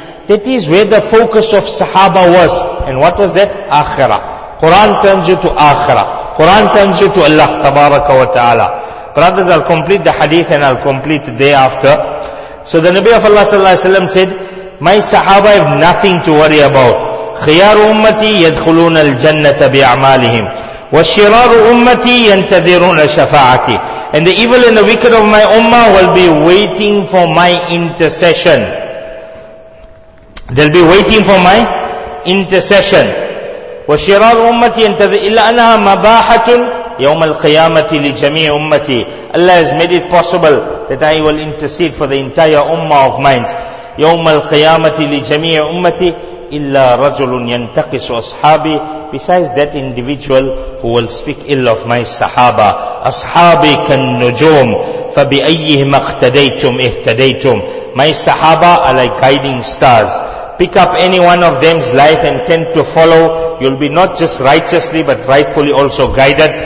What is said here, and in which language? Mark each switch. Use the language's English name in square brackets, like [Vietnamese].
[English] That is where the focus of Sahaba was. And what was that? Akhirah. Quran turns you to Akhirah. Quran turns you to Allah, Tabaraka wa Ta'ala. Brothers, I'll complete the Hadith and I'll complete the day after. So the Nabi of Allah sallallahu alayhi wa sallam said, my Sahaba have nothing to worry about. [Arabic] خيار أمتي يدخلون الجنة بأعمالهم وشرار أمتي ينتظرون شفاعتي. [English] And the evil and the wicked of my ummah will be waiting for my intercession. They'll be waiting for my intercession. [Arabic] وشرار أمتي ينتظر إلا أنها مباحة يوم القيامة لجميع أمتي. [English] Allah has made it possible that I will intercede for the entire ummah of mine. [Arabic] يوم القيامة لجميع أمتي إلا رجل ينتقص أصحابي. [English] Besides that individual who will speak ill of my Sahaba. [Arabic] أصحابي كالنجوم فبأيهم اقتديتم اهتديتم. [English] My Sahaba are like guiding stars. Pick up any one of them's life and tend to follow. You'll be not just righteously but rightfully also guided.